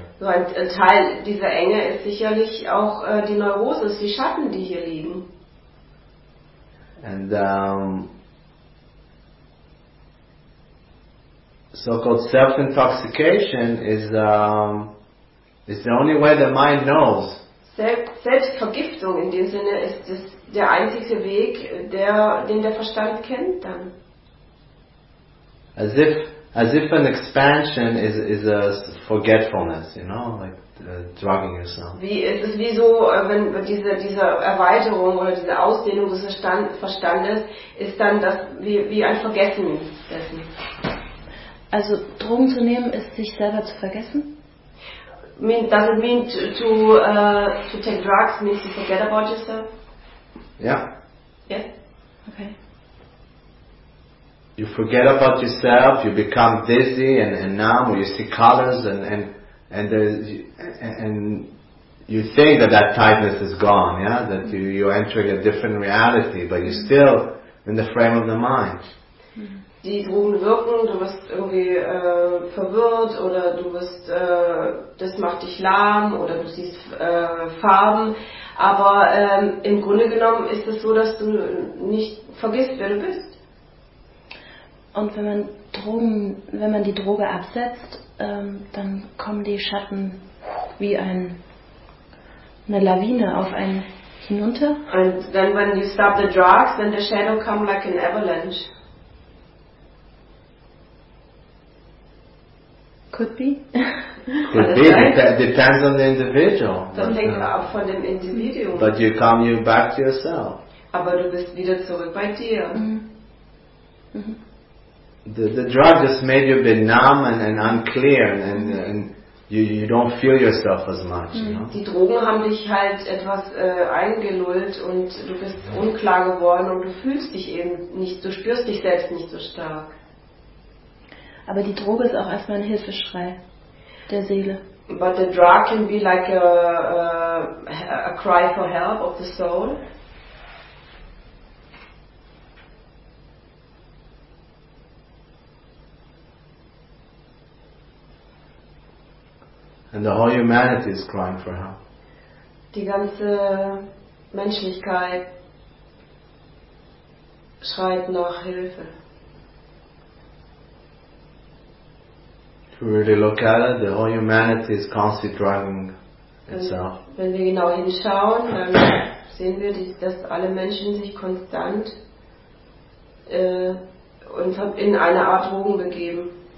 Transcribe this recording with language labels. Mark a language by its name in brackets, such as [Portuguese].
[German] So ein Teil dieser Enge ist sicherlich auch die Neurosis, die Schatten, die hier liegen. [English] And so-called self-intoxication is the only way the mind knows. [German] Selbstvergiftung in dem Sinne ist das der einzige Weg, den der Verstand kennt dann. [English] As if an expansion is a forgetfulness, you know, like drugging yourself. [German] Wie ist es wie so, wenn diese Erweiterung oder diese Ausdehnung des Verstandes ist dann das wie ein Vergessen dessen? Also Drogen zu nehmen ist sich selber zu vergessen? [English] Does it mean to take drugs means to forget about yourself? Yeah. Yes. Okay. You forget about yourself, you become dizzy and numb, or you see colors and you think that tightness is gone, yeah? That you're entering a different reality, but you're still in the frame of the mind. [German] Die Drogen wirken, du wirst irgendwie verwirrt oder du wirst, das macht dich lahm oder du siehst Farben, aber im Grunde genommen ist es so, dass du nicht vergisst, wer du bist. Und wenn man die Droge absetzt, dann kommen die Schatten wie eine Lawine auf einen hinunter. [English] And then when you stop the drugs, then the shadow come like an avalanche. Could be. Could be. Depends on the individual. [German] Das hängt auch von dem Individuum. [English] But you come you back to yourself. [German] Aber du bist wieder zurück bei dir. Mm-hmm. [English] The drug just made you a bit numb and unclear and you don't feel yourself as much. You know? [German] Die Drogen haben dich halt etwas eingelullt und du bist unklar geworden und du fühlst dich eben nicht, du spürst dich selbst nicht so stark. Aber die Droge ist auch erstmal ein Hilfeschrei der Seele. [English] But the drug can be like a cry for help of the soul. And the whole humanity is crying for help. [German] Die ganze Menschlichkeit schreit nach Hilfe. [English] If we really look at it, the whole humanity is constantly driving itself. [German] Wenn wir genau hinschauen, dann sehen wir, dass alle Menschen sich konstant in eine Art Drogen begeben.